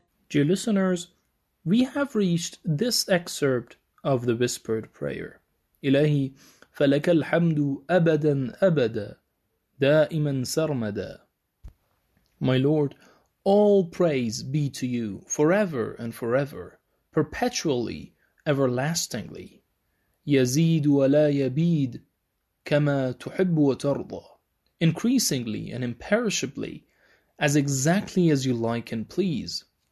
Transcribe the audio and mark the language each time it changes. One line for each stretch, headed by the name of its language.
English: Dear listeners, we have reached this excerpt of the whispered prayer.
Arabic: إلهي فلك الحمد أبدا أبدا دائما سرمدا.
English: My Lord, all praise be to you forever and forever, perpetually, everlastingly.
Arabic: يزيد ولا يبيد كما تحب وترضى.
English: Increasingly and imperishably, as exactly as you like and please.